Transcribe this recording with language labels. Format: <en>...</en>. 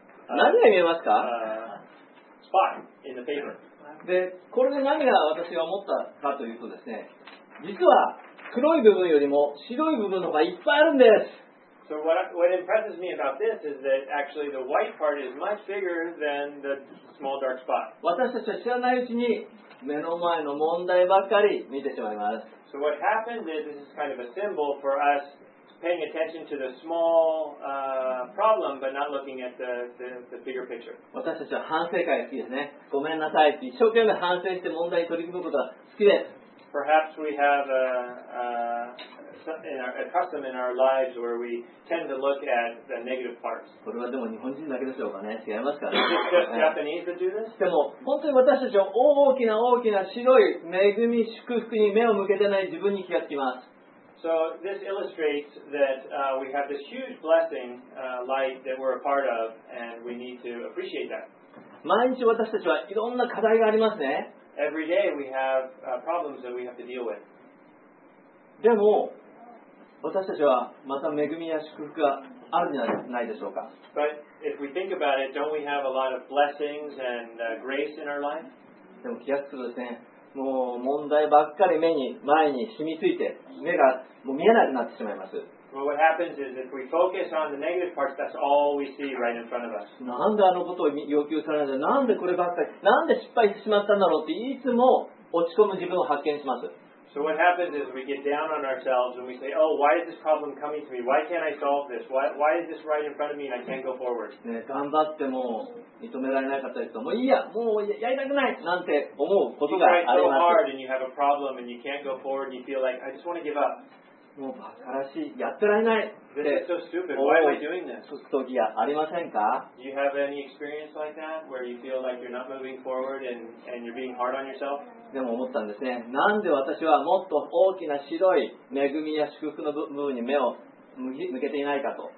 <ja>何が見えますか</ja> <en>spot in the paper.</en> <ja>でこれで何が私が思ったかというとですね、実は黒い部分よりも白い部分の方がいっぱいあるんです。</ja> <en>So what impresses me about this is that actually the white part is much bigger than the small dark spot.</en> <ja>私たちは知らないうちに目の前の問題ばっかり見てしまいます。</ja> <en>So what happens is this is kind of a symbol for us paying attention to the small problem but not looking at the bigger picture.</en> <ja>私たちは反省会好きですね。ごめんなさいって一生懸命反省して問題に取り組むことが好きです。</ja> <en>Perhaps we have a custom in our lives where we tend to look at the negative parts.</en> <ja>これはでも日本人だけでしょうかね。違いますか。</ja> <en>Is it just Japanese that do this?</en> <ja>でも本当に私たちは大きな大きな白い恵み祝福に目を向けてない自分に気がつきます。</ja> <en>So this illustrates that we have this huge blessing light that we're a part of, and we need to appreciate that.</en> <ja>毎日私たちはいろんな課題がありますね。</ja> <en>Every day we have problems that we have to deal with.</en> <ja>でも私たちはまた恵みや祝福があるんじゃないでしょうか。</ja> <en>But if we think about it, don't we have a lot of blessings and grace in our life?</en> <ja>でも気がつくとですね、もう問題ばっかり目に前に染みついて、目がもう見えなくなってしまいます。</ja> <en>Well, what happens is if we focus on the negative parts, that's all we see right in front of us.</en> <ja>なんであのことを要求されるんだ、なんでこればっかり、なんで失敗してしまったんだろうっていつも落ち込む自分を発見します。</ja> <en>So what happens is we get down on ourselves and we say, oh, why is this problem coming to me? Why can't I solve this? Why is this right in front of me and I can't go forward?</en> <ja>ね、頑張っても認められなかったりと、もういいや、もうやりたくないなんて思うことがあります。</ja> <en>You try so hard and you have a problem and you can't go forward and you feel like, I just want to give up.</en> <ja>もうバカらしい、やってられないって思う時はありませんか？</ja> <en>Do you have any experience like that where you feel like you're not moving forward and you're being hard on yourself?</en> <ja>でも思ったんですね。なんで私はもっと大きな白い恵みや祝福の部分に目を向けていないかと。</ja>